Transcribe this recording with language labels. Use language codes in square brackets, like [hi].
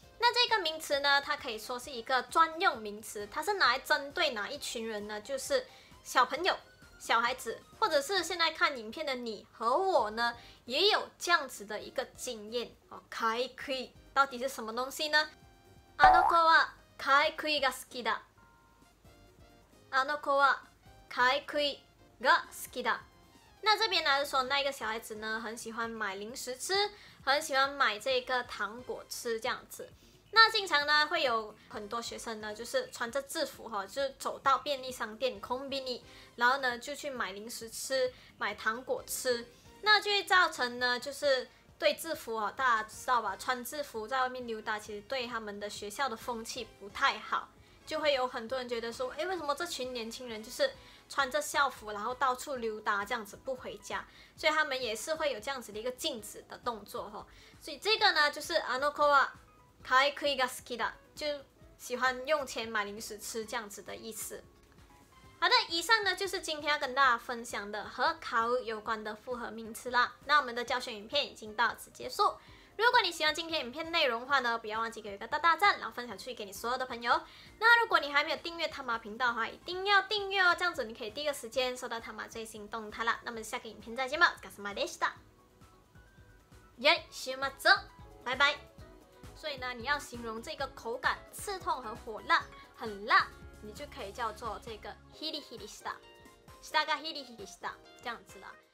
[zh] 那这个名词呢它可以说是一个专用名词，它是拿来针对哪一群人呢，就是小朋友小孩子，或者是现在看影片的你和我呢也有这样子的一个经验。買い食い到底是什么东西呢？ [ja] あの子は買い食いが好きだ。あの子は買い食いが好きだ。 [zh] 那这边呢是说那个小孩子呢很喜欢买零食吃，很喜欢买这个糖果吃这样子。那经常呢会有很多学生呢就是穿着制服，就走到便利商店空便利，然后呢就去买零食吃买糖果吃，那就会造成呢就是对制服，大家知道吧，穿制服在外面溜达其实对他们的学校的风气不太好，就会有很多人觉得说为什么这群年轻人就是穿着校服然后到处溜达这样子不回家，所以他们也是会有这样子的一个禁止的动作，所以这个呢就是 [ja] あの子は買い食いが好きだ， [zh] 就喜欢用钱买零食吃这样子的意思。好的，以上呢就是今天要跟大家分享的和買う有关的复合名词啦。那我们的教学影片已经到此结束，如果你喜欢今天影片内容的话呢，不要忘记给一个大大赞，然后分享出去给你所有的朋友。那如果你还没有订阅他妈频道的话，一定要订阅哦，这样子你可以第一个时间收到他妈最新动态啦。 [ja] 那么下个影片再见吧，お疲れ様でした。よい週末、バイバイ。 [zh] 所以呢，你要形容这个口感刺痛和火辣，很辣，你就可以叫做这个ヒリヒリした，舌がヒリヒリした，这样子了。